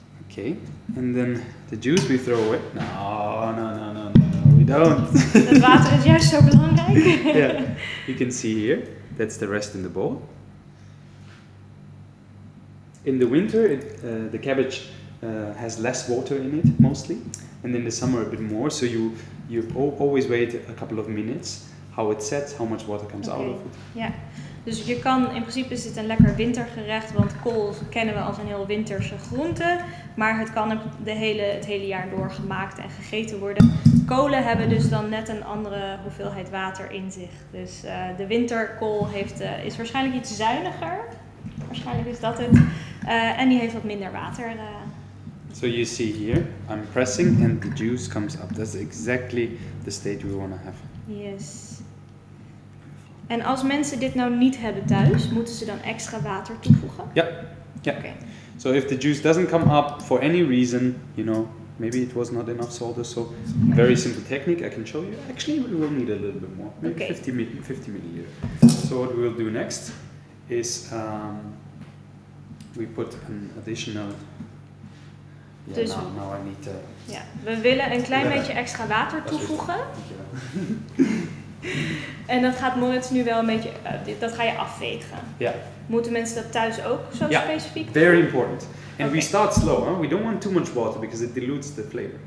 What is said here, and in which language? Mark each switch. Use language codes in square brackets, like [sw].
[en] Okay, and then the juice we throw away. No, we don't. [nl] Het water is juist zo belangrijk. [en] Yeah, you can see here, that's the rest in the bowl. In the winter, the cabbage has less water in it, mostly. And in the summer, a bit more. So you always wait a couple of minutes. how it sets, how much water comes out of it. [nl] Ja, dus je kan, in principe is het een lekker wintergerecht, want kool kennen we als een heel winterse groente. Maar het kan het hele jaar door gemaakt en gegeten worden. Kolen hebben dus dan net een andere hoeveelheid water in zich. Dus de winterkool is waarschijnlijk iets zuiniger. Waarschijnlijk is dat het. En die heeft wat minder water. [en] So you see here, I'm pressing and the juice comes up. That's exactly the state we want to have. Yes. [nl] En als mensen dit nou niet hebben thuis, moeten ze dan extra water toevoegen? Ja. [en] Yeah. Okay. So if the juice doesn't come up for any reason, you know, maybe it was not enough salt or so. Very simple technique, I can show you. Actually, we will need a little bit more. Maybe 50 milliliters. So what we will do next is we put an additional... [nl] We willen een klein beetje extra water toevoegen. En dat gaat Moritz nu wel een beetje... dat ga je afvegen. [en] Yeah. [nl] Moeten mensen dat thuis ook zo specifiek doen? [en] Very important. And we start slow. Huh? We don't want too much water because it dilutes the flavor.